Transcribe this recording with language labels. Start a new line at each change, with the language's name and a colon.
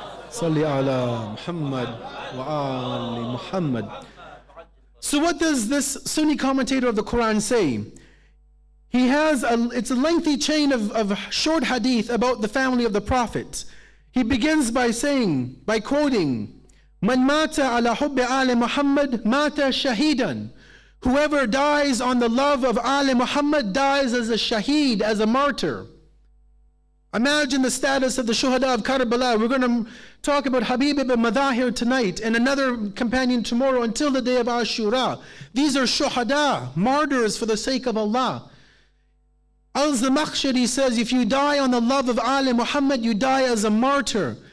Arabic: Salli ala Muhammad wa ali Muhammad.
English: So what does this Sunni commentator of the Quran say? He has it's a lengthy chain of short hadith about the family of the Prophet. He begins by quoting,
Arabic: مَنْ مَاتَ عَلَى حُبِّ عَلَى مُحَمَّدٍ مَاتَ شَهِيدًا.
English: Whoever dies on the love of Ali Muhammad dies as a shaheed, as a martyr. Imagine the status of the Shuhada of Karbala. We're going to talk about Habib ibn Madahir tonight and another companion tomorrow until the day of Ashura. These are Shuhada, martyrs for the sake of Allah. Al-Zamakhshari says, if you die on the love of Ali Muhammad, you die as a martyr.